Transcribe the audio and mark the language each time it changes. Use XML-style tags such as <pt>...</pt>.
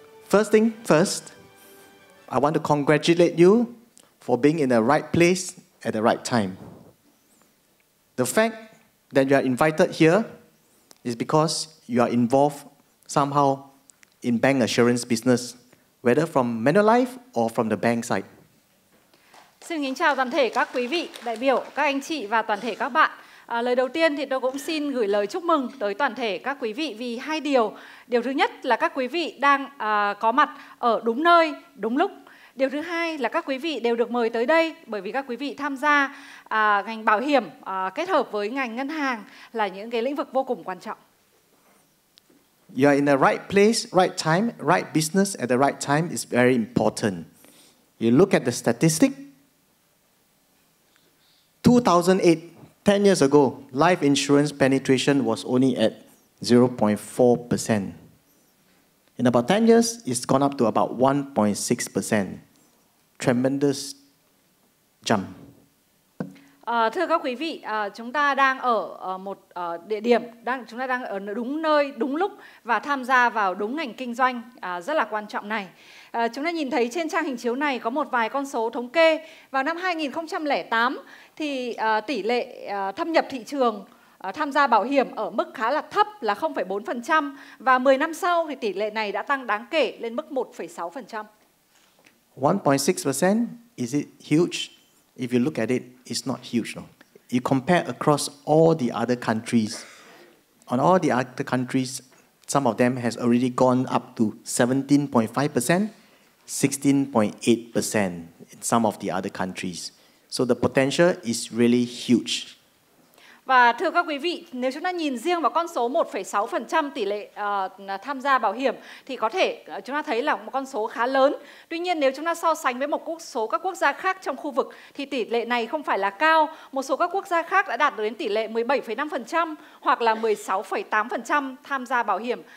<en>First thing first, I want to congratulate you for being in the right place at the right time. The fact that you are invited here is because you are involved somehow in bank assurance business, whether from Manulife or from the bank side.</en> <vi>Xin kính chào toàn thể các quý vị đại biểu, các anh chị và toàn thể các bạn. Lời đầu tiên thì tôi cũng xin gửi lời chúc mừng tới toàn thể các quý vị vì hai điều. Điều thứ nhất là các quý vị đang có mặt ở đúng nơi, đúng lúc. Điều thứ hai là các quý vị đều được mời tới đây bởi vì các quý vị tham gia ngành bảo hiểm kết hợp với ngành ngân hàng là những cái lĩnh vực vô cùng quan trọng.</vi> <en>You are in the right place, right time, right business at the right time is very important. You look at the statistic. 2008, 10 years ago, life insurance penetration was only at 0.4%. In about 10 years, it's gone up to about 1.6%. Tremendous jump.</en> <vi>Thưa các quý vị, chúng ta đang ở một địa điểm, chúng ta đang ở đúng nơi, đúng lúc và tham gia vào đúng ngành kinh doanh rất là quan trọng này. Chúng ta nhìn thấy trên trang hình chiếu này có một vài con số thống kê. Vào năm 2008 thì tỷ lệ thâm nhập thị trường tham gia bảo hiểm ở mức khá là thấp là 0.4% và 10 năm sau thì tỷ lệ này đã tăng đáng kể lên mức 1.6%.</vi> <en>1.6% is it huge? If you look at it, it's not huge. No? You compare across all the other countries. On all the other countries, some of them has already gone up to 17.5%, 16.8% in some of the other countries. So the potential is really huge.</en> <vi>Và thưa các quý vị, nếu chúng ta nhìn riêng vào con số 1,6% tỷ lệ tham gia bảo hiểm thì có thể chúng ta thấy là một con số khá lớn. Tuy nhiên, nếu chúng ta so sánh với một số các quốc gia khác trong khu vực thì tỷ lệ này không phải là cao. Một số các quốc gia khác đã đạt đến tỷ lệ 17,5% hoặc là 16,8% tham gia bảo hiểm.</vi>